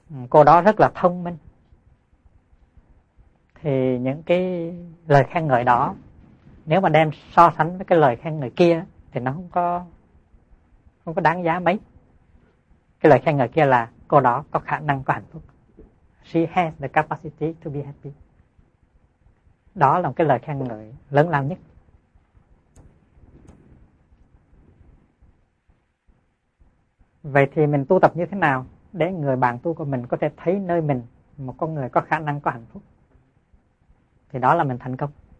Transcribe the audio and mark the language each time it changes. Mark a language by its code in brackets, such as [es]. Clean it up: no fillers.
[vi] Cô đó rất là thông minh. Thì những cái lời khen ngợi đó, nếu mà đem so sánh với cái lời khen ngợi kia, thì nó không có đáng giá mấy. Cái lời khen ngợi kia là cô đó có khả năng có hạnh phúc. [en] She has the capacity to be happy. [vi] Đó là một cái lời khen ngợi lớn lao nhất. Vậy thì mình tu tập như thế nào để người bạn tu của mình có thể thấy nơi mình một con người có khả năng có hạnh phúc? Thì đó là mình thành công.